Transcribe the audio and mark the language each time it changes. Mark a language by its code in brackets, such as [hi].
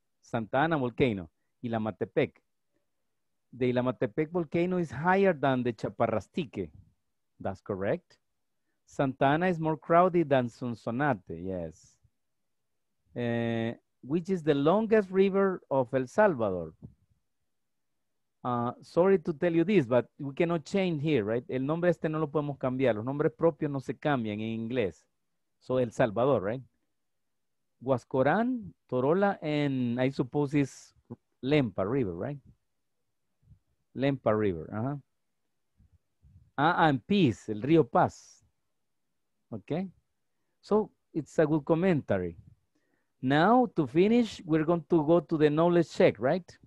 [en] Santa Ana volcano, Ilamatepec. The Ilamatepec volcano is higher than the Chaparrastique. That's correct. Santa Ana is more crowded than Sonsonate, yes. Which is the longest river of El Salvador? Sorry to tell you this, but we cannot change here, right? [es] El nombre este no lo podemos cambiar. Los nombres propios no se cambian en inglés. [en] So, El Salvador, right? Huascarán, Torola, and I suppose it's Lempa River, right? Lempa River, and Paz, [es] el Río Paz. [en] Okay? So, it's a good commentary. Now, to finish, we're going to go to the knowledge check, right?